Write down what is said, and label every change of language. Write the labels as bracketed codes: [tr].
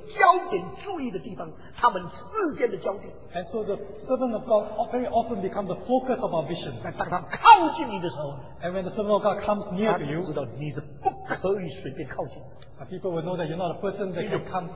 [zh] 所以许多时候神的仆人就成为许多人焦点注意的地方, 他们视线的焦点, [en] and so the servant of God very often become the focus of our vision. [zh] 但当他靠近你的时候, [en] and when the servant of God comes near to you, [zh] 他就知道你是不可以随便靠近, [en] people will know that you're not a person that can come